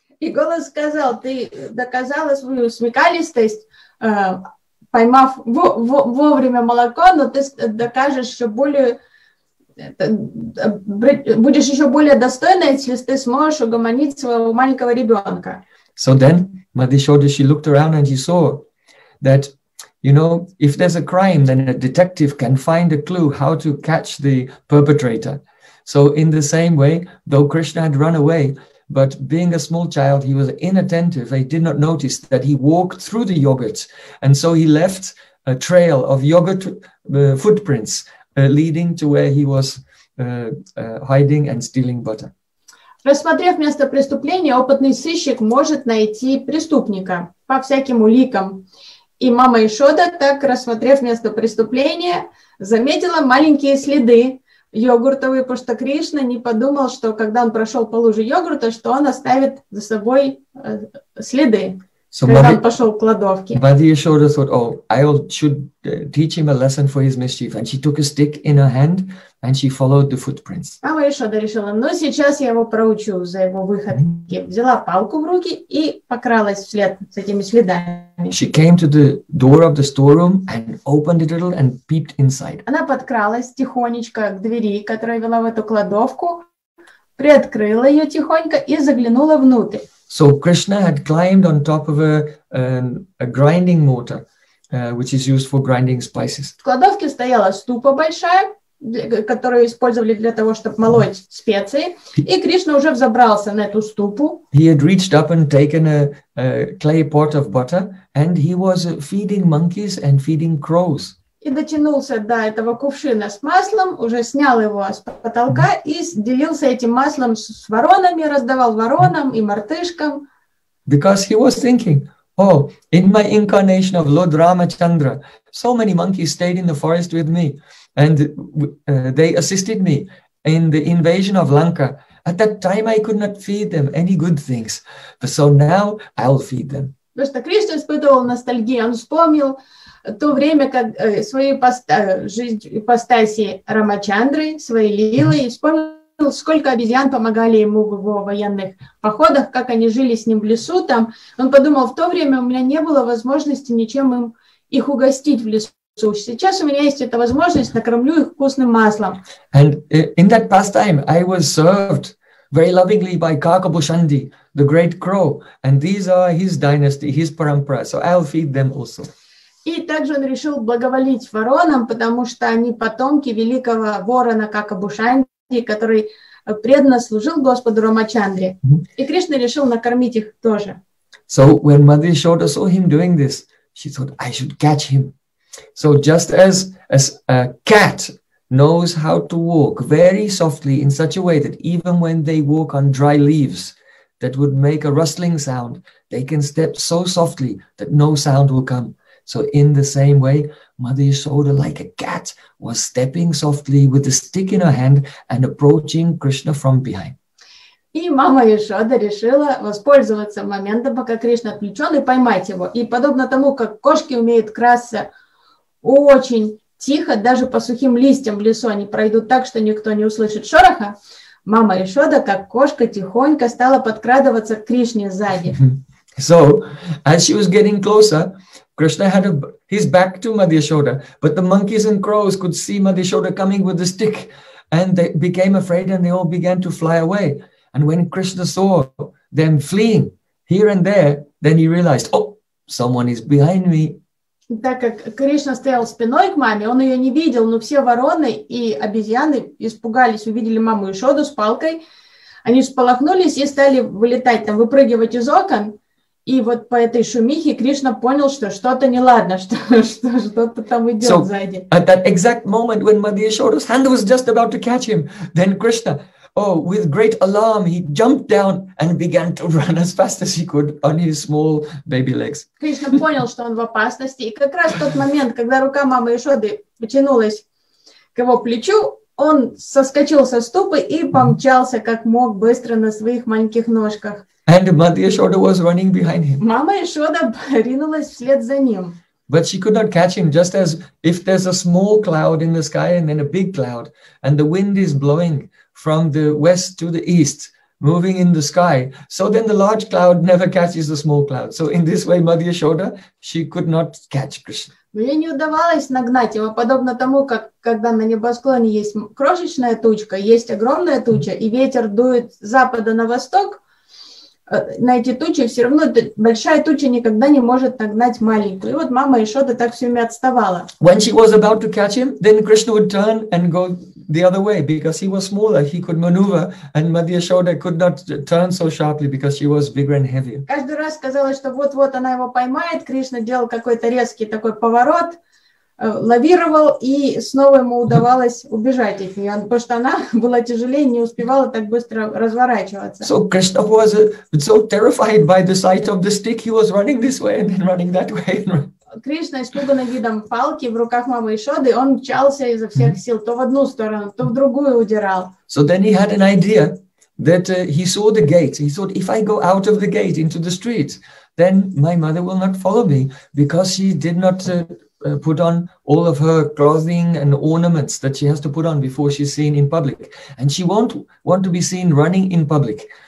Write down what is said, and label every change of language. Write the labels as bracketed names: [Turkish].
[Russian] И голос сказал, ты доказала свою смекалистость, поймав вовремя молоко, но ты докажешь, что будешь еще более достойна, если ты сможешь угомонить своего маленького ребенка. [English] So then Madhishoda, she looked around and she saw that, you know, if there's a crime, then a detective can find a clue how to catch the perpetrator. So in the same way, though Krishna had run away, but being a small child, he was inattentive. He did not notice that he walked through the yogurt. And so he left a trail of yogurt footprints leading to where he was hiding and stealing butter. [Russian] Рассмотрев место преступления, опытный сыщик может найти преступника по всяким уликам. И мама Ишода, так рассмотрев место преступления, заметила маленькие следы йогуртовые, потому что Кришна не подумал, что когда он прошел по луже йогурта, что он оставит за собой следы, когда он пошел к кладовке. [English] Мама Ишода thought, oh, I should teach him a lesson for his mischief. And she took a stick in her hand. And she followed the footprints. [Russian] Мама Ишода решила, ну сейчас я его проучу за его выходки. Взяла палку в руки и покралась вслед с этими следами. [English] She came to the door of the storeroom and opened it a little and peeped inside. [Russian] Она подкралась тихонечко к двери, которая вела в эту кладовку, приоткрыла ее тихонько и заглянула внутрь. [English] So Krishna had climbed on top of a grinding mortar, which is used for grinding spices. [Russian] В кладовке стояла ступа большая, которую использовали для того, чтобы молоть специи, и Кришна уже взобрался на эту ступу. [English] He had reached up and taken a clay pot of butter, and he was feeding monkeys and feeding crows. [Russian] И дотянулся до этого кувшина с маслом, уже снял его с потолка и делился этим маслом с воронами, раздавал воронам и мартышкам. [English] Because he was thinking, oh, in my incarnation of Lord Ramachandra, so many monkeys stayed in the forest with me. And they assisted me in the invasion of Lanka. At that time, I could not feed them any good things. But so now, I'll feed them. [Russian] Потому что Кришна испытывал ностальгию. Он вспомнил то время, как свою жизнь ипостаси Рамачандры, своей лилы, и вспомнил, сколько обезьян помогали ему в его военных походах, как они жили с ним в лесу там. Он подумал, в то время у меня не было возможности ничем им их угостить в лесу. Сейчас у меня есть эта возможность, накормлю их вкусным маслом. [English] And in that pastime, I was served very lovingly by Kakabushandi, the great crow, and these are his dynasty, his parampara. So I'll feed them also. [Russian] И также он решил благоволить воронам, потому что они потомки великого ворона Какабушанди, который преданно служил Господу Рамачандре. И Кришна решил накормить их тоже. [English] So when Mother Yashoda saw him doing this, she thought, I should catch him. So just as a cat knows how to walk very softly in such a way that even when they walk on dry leaves that would make a rustling sound, they can step so softly that no sound will come. So in the same way, Mother Yashoda, like a cat, was stepping softly with a stick in her hand and approaching Krishna from behind. [Russian] И мама Ишода решила воспользоваться моментом, пока Кришна отвлечен, и поймать его. И подобно тому, как кошки умеют красться очень тихо, даже по сухим листьям в лесу они пройдут так, что никто не услышит шороха. Мама Ишода, как кошка, тихонько стала подкрадываться к Кришне сзади. [English] So, as she was getting closer, Krishna had his back to Madhyashoda, but the monkeys and crows could see Madhyashoda coming with the stick, and they became afraid, and they all began to fly away. And when Krishna saw them fleeing here and there, then he realized, oh, someone is behind me. [Russian] Так как Кришна стоял спиной к маме, он ее не видел, но все вороны и обезьяны испугались, увидели маму Ишоду с палкой. Они всполохнулись и стали вылетать, там, выпрыгивать из окон. И вот по этой шумихе Кришна понял, что что-то неладно, что-то там идет [English] so, [Russian] сзади. [English] At that exact moment when Mother Yashoda's hand was just about to catch him, then Krishna, with great alarm, he jumped down and began to run as fast as he could on his small baby legs. [Russian] Кришна понял, что он в опасности, и как раз в тот момент, когда рука мамы Яшоды потянулась к его плечу, он соскочил со ступы и помчался как мог быстро на своих маленьких ножках. [English] And Mother Yashoda was running behind him. [Russian] Мама Яшода ринулась вслед за ним. [English] But she could not catch him, just as if there's a small cloud in the sky and then a big cloud, and the wind is blowing from the west to the east, moving in the sky. So then the large cloud never catches the small cloud. So in this way, Mother Yashoda, she could not catch Krishna. [Russian] Но ей не удавалось нагнать его, подобно тому, как когда на небосклоне есть крошечная тучка, есть огромная туча, и ветер дует с запада на восток, на эти тучи все равно большая туча никогда не может нагнать маленькую. И вот мама Яшода так все время отставала. [English] When she was about to catch him, then Krishna would turn and go the other way, because he was smaller, he could maneuver, and Mother Yashoda could not turn so sharply, because she was bigger and heavier. [Russian] Каждый раз казалось, что вот-вот она его поймает, Кришна делал какой-то резкий такой поворот, лавировал, и снова ему удавалось убежать от нее, потому что она была тяжелее, не успевала так быстро разворачиваться. [English] So Krishna was so terrified by the sight of the stick, he was running this way and then running that way. [Russian] Кришна, испуганный видом палки в руках мамы Яшоды, он мчался изо всех сил, то в одну сторону, то в другую удирал. [English] So then he had an idea that he saw the gate. He thought, if I go out of the gate into the street, then my mother will not follow me, because she did not put on all of her clothing and ornaments that she has to put on before she's seen in public. And she won't want to be seen running in public.